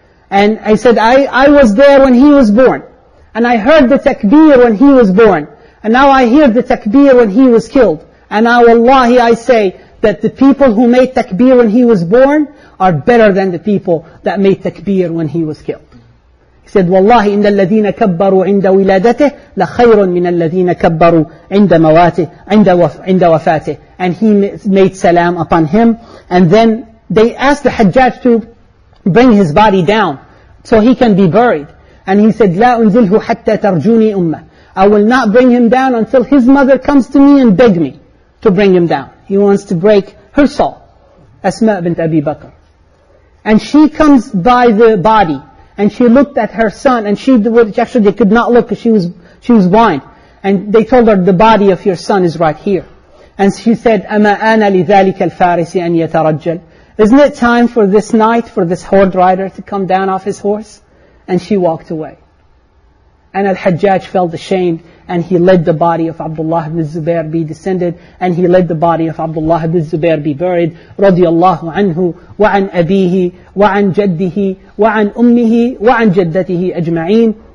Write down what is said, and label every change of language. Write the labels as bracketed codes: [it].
[en] And I said, I was there when he was born. And I heard the takbir when he was born. And now I hear the takbir when he was killed. And now wallahi I say, that the people who made takbir when he was born are better than the people that made takbir when he was killed. He said, [ar] Wallahi, إن الذين كبروا عند ولادته لخير من الذين كبروا عند وفاته. [en] And he made salam upon him. And then they asked the Hajjaj to bring his body down so he can be buried. And he said, [ar] لا أنزله حتى ترجوني أمة. [en] I will not bring him down until his mother comes to me and beg me to bring him down. He wants to break her soul, Asma bint Abi Bakr. And she comes by the body, and she looked at her son, and she actually they could not look because she was blind. And they told her, the body of your son is right here. And she said, [ar] أَمَا أَنَا لِذَلِكَ الْفَارِسِ أَنْ يَتَرَجَّلْ. [en] Isn't it time for this knight, for this horde rider to come down off his horse? And she walked away. And Al-Hajjaj felt ashamed. And he let the body of Abdullah ibn Zubair be descended. And he let the body of Abdullah ibn Zubair be buried. Radiallahu anhu wa an abihi wa an jaddihi wa an ummihi wa an jaddatihi ajma'een.